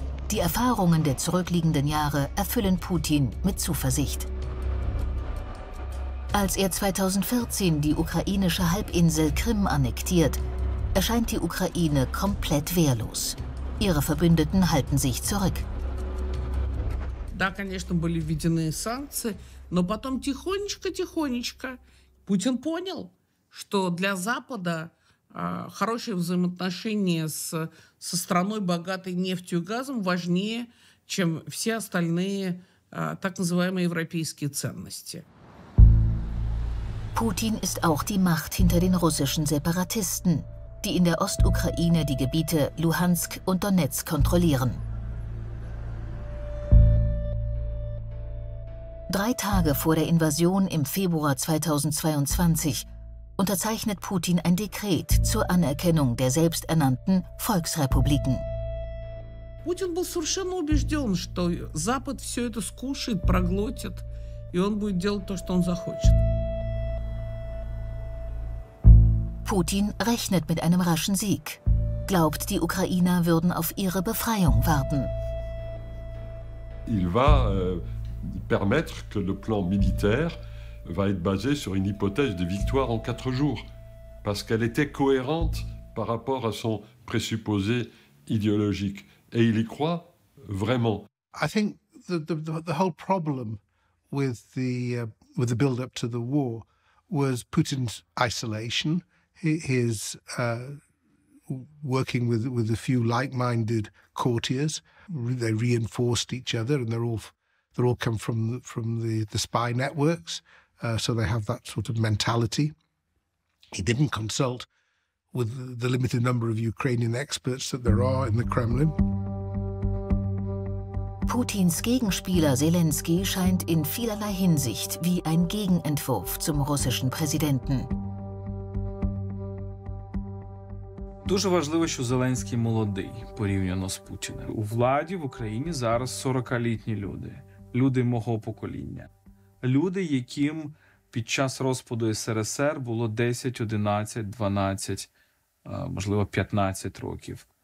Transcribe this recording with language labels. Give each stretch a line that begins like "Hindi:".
German: Die Erfahrungen der zurückliegenden Jahre erfüllen Putin mit Zuversicht. Als er 2014 die ukrainische Halbinsel Krim annektiert, erscheint die Ukraine komplett wehrlos. Ihre Verbündeten halten sich zurück.
Russian: Да, конечно, были введены санкции, но потом тихонечко-тихонечко Путин понял, что для Запада хорошие взаимоотношения со страной, богатой нефтью и газом, важнее, чем все остальные так называемые европейские ценности.
German: Putin ist auch die Macht hinter den russischen Separatisten, die in der Ostukraine die Gebiete Luhansk und Donetsk kontrollieren. Drei Tage vor der Invasion im Februar 2022 unterzeichnet Putin ein Dekret zur Anerkennung der selbsternannten Volksrepubliken.
Russian: Putin
German: war
Russian: совершенно убежден, что Запад все это скушает, проглотит, и он будет делать то, что он захочет.
German: Putin rechnet mit einem raschen Sieg. Glaubt, die Ukrainer würden auf ihre Befreiung warten.
French: Il va permettre que le plan militaire va être basé sur une hypothèse de victoire en 4 jours parce qu'elle était cohérente par rapport à son présupposé idéologique et il y croit vraiment.
English: I think the whole problem with the build up to the war was Putin's isolation, his working with a few like-minded courtiers. They reinforced each other, and they're all come from the spy networks, so they have that sort of mentality. He didn't consult with the limited number of Ukrainian experts that there are in the Kremlin.
German: Putins Gegenspieler Selenskyj scheint in vielerlei Hinsicht wie ein Gegenentwurf zum russischen Präsidenten.
Ukrainian: Дуже важливо, що Зеленський молодий порівняно з Путіним. У владі в Україні зараз 40-літні люди, люди мого покоління. Люди, яким під час розпаду СРСР було 10, 11, 12, можливо, 15 років.